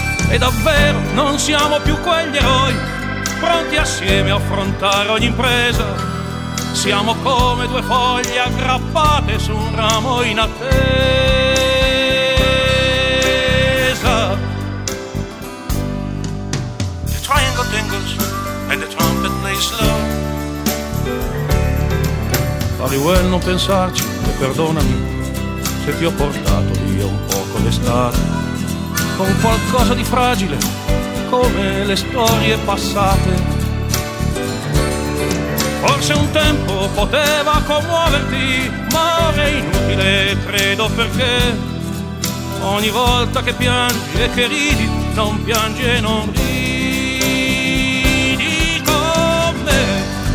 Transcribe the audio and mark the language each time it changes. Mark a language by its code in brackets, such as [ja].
[it] E davvero non siamo più quegli eroi pronti assieme a affrontare ogni impresa. Siamo come due foglie aggrappate su un ramo in attesa. [en] The triangle dingles and the trumpet plays low. Fare well [it] non pensarci e perdonami, se ti ho portato via un poco d'estate, con qualcosa di fragile, come le storie passate. Forse un tempo poteva commuoverti, ma è inutile, credo, perché ogni volta che piangi e che ridi, non piangi e non ridi con me.